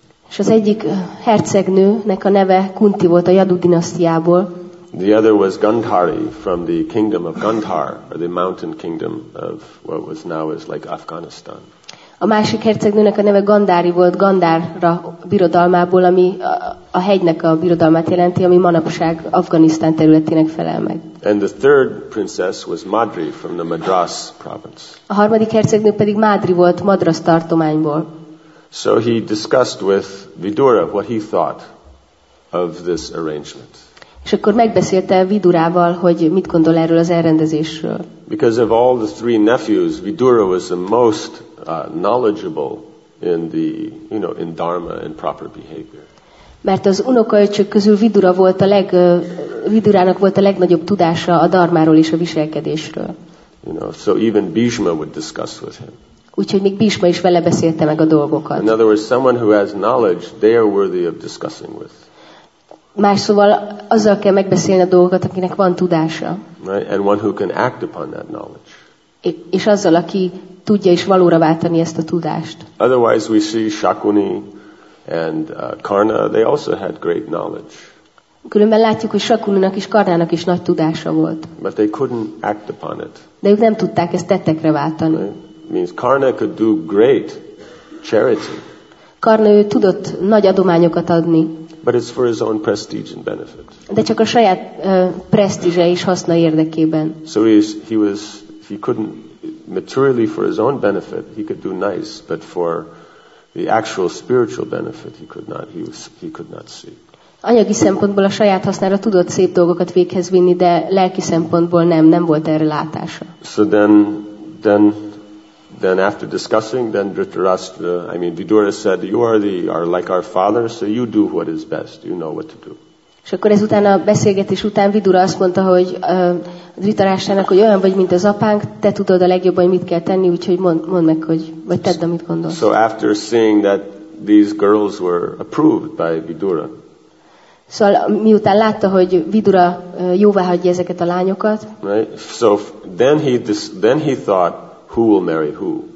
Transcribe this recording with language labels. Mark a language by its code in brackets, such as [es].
[hu] És az egyik hercegnőnek a neve Kunti volt a Yadu dinasztiából. [en] The other was Gandhari from the kingdom of Gandhar, or the mountain kingdom of what was now is like Afghanistan. [hu] A másik hercegnőnek a neve Gandhari volt, Gandhara birodalmából, ami a hegynek a birodalmát jelenti, ami manapság Afganisztán területének felel meg. [en] And the third princess was Madri from the Madras province. [hu] A harmadik hercegnő pedig Madri volt, Madras tartományból. [en] So he discussed with Vidura what he thought of this arrangement. [hu] És akkor megbeszélte Vidurával, hogy mit gondol erről az elrendezésről. [en] Because of all the three nephews, Vidura was the most knowledgeable in the, you know, in dharma and proper behavior. [hu] Mert az unokaöcsök közül Vidura volt a Vidurának volt a legnagyobb tudása a dharmáról és a viselkedésről. [en] You know, so even Bhishma would discuss with him. [hu] Úgyhogy még Bhishma is vele beszélte meg a dolgokat. [en] In other words, someone who has knowledge, they are worthy of discussing with. [hu] Más szóval azzal kell megbeszélni a dolgokat, akinek van tudása. [en] Right? And one who can act upon that knowledge. [hu] És azzal, aki tudja is valóra váltani ezt a tudást. [en] Otherwise we see Shakuni and Karna, they also had great knowledge. [hu] Különben látjuk, hogy Shakuninak és Karnának is nagy tudása volt. [en] But they couldn't act upon it. [hu] De ők nem tudták ezt tettekre váltani. [en] Right? Means Karna could do great charity. [hu] Karna ő tudott nagy adományokat adni. [en] But it's for his own prestige and benefit. [hu] De csak a saját presztízse és haszna érdekében. [en] So he couldn't materially for his own benefit, he could do nice, but for the actual spiritual benefit he could not see. [hu] Anyagi szempontból a saját hasznára tudott szép dolgokat véghez vinni, de lelki szempontból nem volt erre látása. [en] So then after discussing, then Vidura said, you are like our father, so you do what is best, you know what to do. [hu] És akkor ezután a beszélgetés után Vidura azt mondta, hogy Dhritarashtrának, hogy olyan vagy, mint az apánk, te tudod a legjobb, hogy mit kell tenni, úgyhogy mondd meg, hogy vagy tedd, amit gondolsz. [en] So after seeing that these girls were approved by Vidura. [hu] Szóval miután látta, hogy Vidura jóvá hagyja ezeket a lányokat. [en] Right? So then he thought, who will marry who?